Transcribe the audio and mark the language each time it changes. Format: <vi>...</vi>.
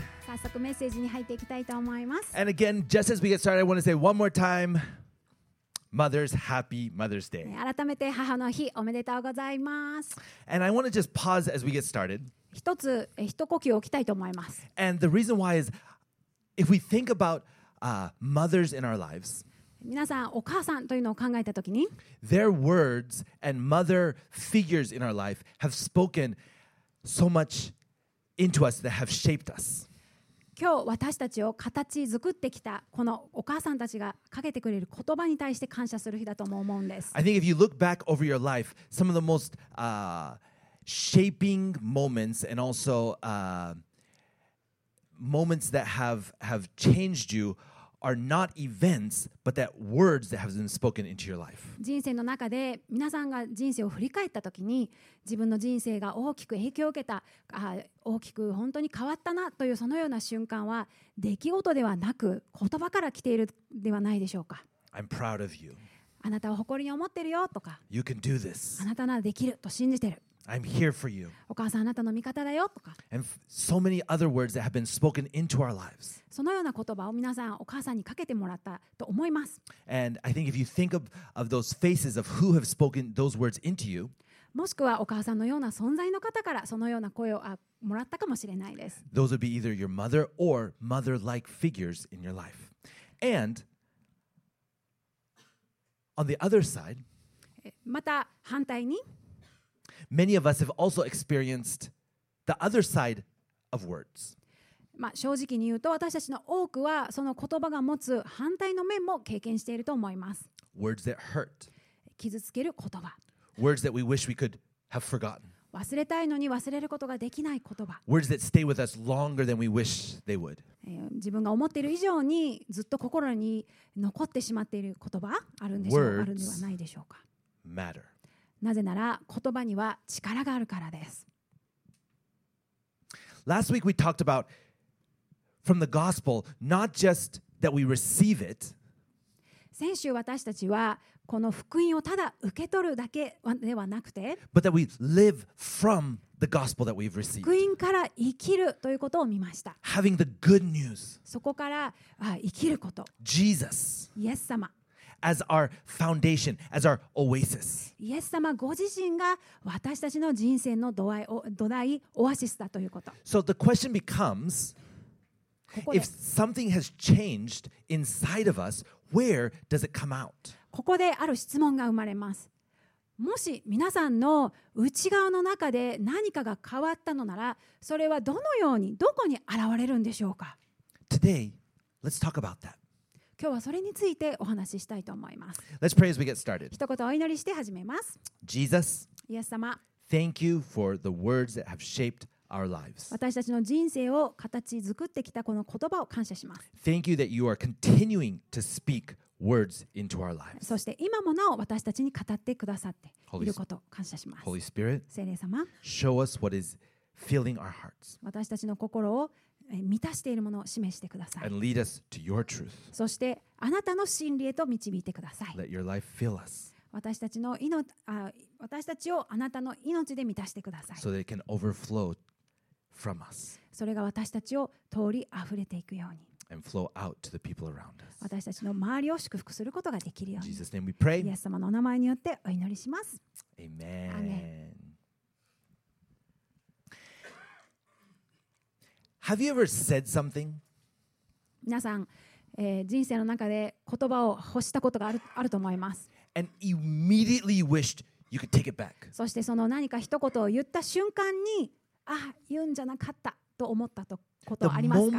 <ja>早速メッセージに入っていきたいと思います。</ja> <en>And again, just as we get started, I want to say one more time, Mother's Happy Mother's Day.</en> <ja>改めて母の日おめでとうございます。</ja> <en>And I want to just pause as we get started.</en> <ja>一呼吸を置きたいと思います。</ja> <en>And the reason why is, if we think about, mothers in our lives,</en> <ja>皆さんお母さんというのを考えたときに</ja> <en>Their words and mother figures in our life have spoken so much into us that have shaped us.</en> <ja>今日私たちを形作ってきたこのお母さんたちがかけてくれる言葉に対して感謝する日だとも思うんです。</ja> <en>I think if you look back over your life, some of the most, shaping moments and also, moments that have changed youare not events, but that words that have been spoken into your life.</en> <ja>人生の中で皆さんが人生を振り返った時に自分の人生が大きく影響を受けた、大きく本当に変わったなというそのような瞬間は出来事ではなく言葉から来ているではないでしょうか。</ja> <en>I'm proud of you.</en> <ja>あなたを誇りに思ってるよとか</ja> <en>You can do this.</en> <ja>あなたならできると信じてる。</ja> <en>I'm here for you.</en> <ja>お母さんあなたの味方だよとか。</ja> <en>And so many other words that have been spoken into our lives.</en> <ja>そのような言葉を皆さんお母さんにかけてもらったと思います。</ja> <en>And I think if you think of those faces of who have spoken those words into you,</en> <ja>もしくはお母さんのような存在の方からそのような声をもらったかもしれないです。</ja> <en>Those would be either your mother or mother-like figures in your life. And on the other side,</en> <ja>また反対に。</ja> <en>Many of us have also experienced the other side of words.</en> <ja>まあ正直に言うと私たちの多くはその言葉が持つ反対の面も経験していると思います。</ja> <en>Words that hurt.</en> <ja>傷つける言葉。</ja> <en>Words that we wish we could have forgotten.</en> <ja>忘れたいのに忘れることができない言葉。</ja> <en>Words that stay with us longer than we wish they would.</en> <ja>自分が思っている以上にずっと心に残ってしまっている言葉あるんでしょう、あるんではないでしょうか。</ja> <en>Words matter.</en> <ja>なぜなら言葉には力があるからです。</ja> <en>Last week we talked about from the gospel, not just that we receive it.</en> <ja>先週私たちはこの福音をただ受け取るだけではなくて、</ja> <en>but that we live from the gospel that we've received.</en> <ja>福音から生きるということを見ました。</ja> <en>Having the good news.</en> <ja>そこから生きること。</ja> <en>Jesus.</en> <ja>イエス様。</ja> <en>As our foundation, as our oasis.</en> <ja>イエス様ご自身が私たちの人生の土台、オアシスだということ。</ja> <en>So the question becomes, if something has changed inside of us, where does it come out?</en> <ja>ここである質問が生まれます。もし皆さんの内側の中で何かが変わったのなら、それはどのように、どこに現れるんでしょうか?</ja> <en>Today, let's talk about that.</en> <ja>今日はそれについてお話ししたいと思います。</ja> <en>Let's pray as we get started.</en> <ja>一言お祈りして始めます。</ja> <en>Jesus,</en> <ja>イエス様、</ja> <en>Thank you for the words that have shaped our lives.</en> <ja>私たちの人生を形作ってきたこの言葉を感謝します。</ja> <en>Thank you that you are continuing to speak words into our lives.</en> <ja>そして今もなお私たちに語ってくださっていることを感謝します。</ja> <en>Holy Spirit,</en> <ja>聖霊様、</ja> <en>Show us what is filling our hearts.</en> <ja>私たちの心を満たしているものを示してください。</ja> <en>And lead us to your truth.</en> <ja>そしてあなたの真理へと導いてください。</ja> <en>Let your life fill us.</en> <ja>私たちをあなたの命で満たしてください。</ja> <en>So that it can overflow from us.</en> <ja>それが私たちを通り溢れていくように。</ja> <en>And flow out to the people around us.</en> <ja>私たちの周りを祝福することができるように。</ja> <en>In Jesus' name we pray.</en> <ja>イエス様のお名前によってお祈りします。</ja> <en>Amen. Amen. Have you ever said something?</en> <ja>皆さん、人生の中で言葉を欲したことがあると思います。</ja> <en>And immediately you wished you could take it back.</en> <ja>そしてその何か一言を言った瞬間に、あ、言うんじゃなかったと思ったことありますか?</ja>